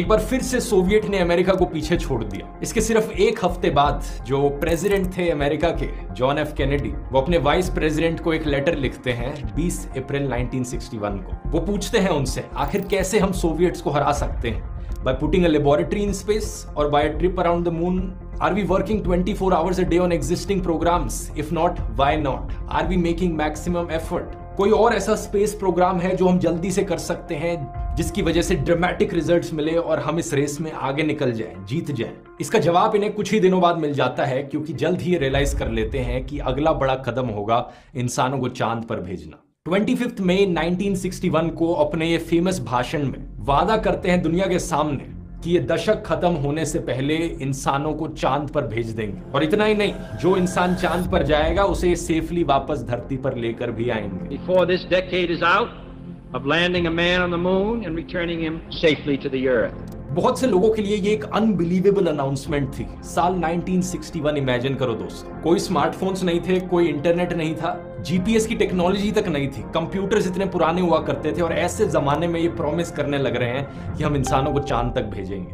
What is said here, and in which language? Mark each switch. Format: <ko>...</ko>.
<hi>एक बार फिर से सोवियत ने अमेरिका को पीछे छोड़ दिया। इसके सिर्फ एक हफ्ते बाद जो प्रेसिडेंट थे अमेरिका के जॉन एफ कैनेडी, वो अपने वाइस प्रेसिडेंट को एक लेटर लिखते हैं 20 अप्रैल 1961 को। वो पूछते हैं उनसे आखिर कैसे हम सोवियट्स को हरा सकते हैं,</hi> <en>By putting a laboratory in space और by a trip around the moon. Are we working 24 hours a day on existing programs? If not, why not? Are we making maximum effort?</en> <hi>कोई और ऐसा space programme है जो हम जल्दी से कर सकते हैं जिसकी वजह से ड्रामेटिक रिजल्ट्स मिले और हम इस रेस में आगे निकल जाएं, जीत जाएं। इसका जवाब इन्हें कुछ ही दिनों बाद मिल जाता है क्योंकि जल्द ही ये रियलाइज कर लेते हैं कि अगला बड़ा कदम होगा इंसानों को चांद पर भेजना। 25 मई 1961 को अपने ये फेमस भाषण में वादा करते हैं दुनिया के सामने कि ये दशक खत्म होने से पहले इंसानों को चांद पर भेज देंगे, और इतना ही नहीं, जो इंसान चांद पर जाएगा उसे सेफली वापस धरती पर लेकर भी आएंगे।</hi> <en>Before this decade is out of landing a man on the moon and returning him safely to the earth.</en> <hi>बहुत से लोगों के लिए ये एक अनबिलीवेबल अनाउंसमेंट थी। साल 1961 इमेजिन करो दोस्त, कोई स्मार्टफोन्स नहीं थे, कोई इंटरनेट नहीं था, जीपीएस की टेक्नोलॉजी तक नहीं थी, कंप्यूटर्स इतने पुराने हुआ करते थे, और ऐसे जमाने में ये प्रॉमिस करने लग रहे हैं कि हम इंसानों को चांद तक भेजेंगे।</hi>